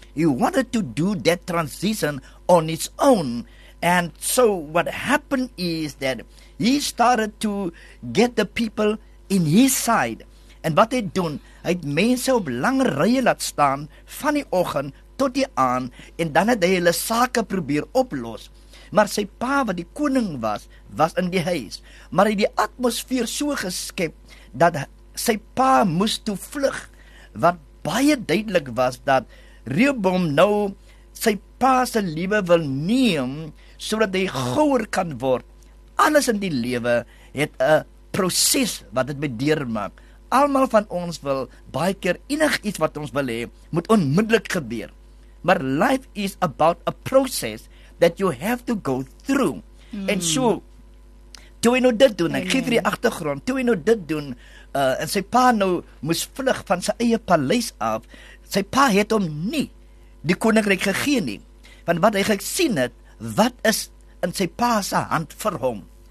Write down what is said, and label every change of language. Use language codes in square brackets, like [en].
[en] He wanted to do that transition on his own. And so what happened is that he started to get the people in his side. [af] En wat hy doen, hy het mense op lange rye laat staan van die oggend tot die aand en dan het hy hulle sake probeer oplos. Maar sy pa wat die koning was, was in die huis. Maar hy het die atmosfeer so geskep dat sy pa moes toe vlug, wat baie duidelik was dat Rehoboam nou sy pa se liewe wil neem sodat hy gouer kan word. Alles in die lewe het 'n proses wat dit bedeer maak. Almal van ons wil baie keer enigiets wat ons wil hê, moet onmiddellik gebeur. [en] Maar life is about a process that you have to go through. [af] En so, toe hy nou dit doen, ek geef die agtergrond, toe hy nou dit doen, en sy pa nou moes vlug van sy eie paleis af, sy pa het hom nie die koninkryk gegee nie. Want wat hy gesien het, wat is in sy pa se hand vir hom?